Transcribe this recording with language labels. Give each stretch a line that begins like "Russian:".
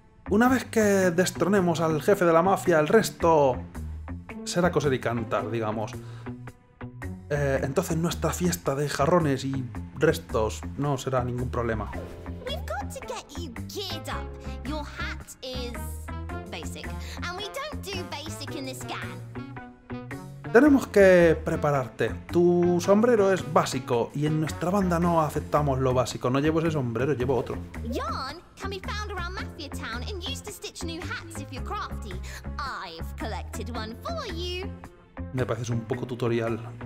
Spanish: Una vez que destronemos al jefe de la mafia, el resto será coser y cantar, digamos. Entonces nuestra fiesta de jarrones y restos no será ningún problema.
English: We've got to get you geared up. Your hat is basic, and we don't do basic in this gang.
Spanish: Tenemos que prepararte. Tu sombrero es básico y en nuestra banda no aceptamos lo básico. No llevo ese sombrero, llevo otro.
English: Yarn can be found around Mafia Town and used to stitch new hats if you're crafty. I've collected one for you.
Spanish: Me pareces un poco tutorial.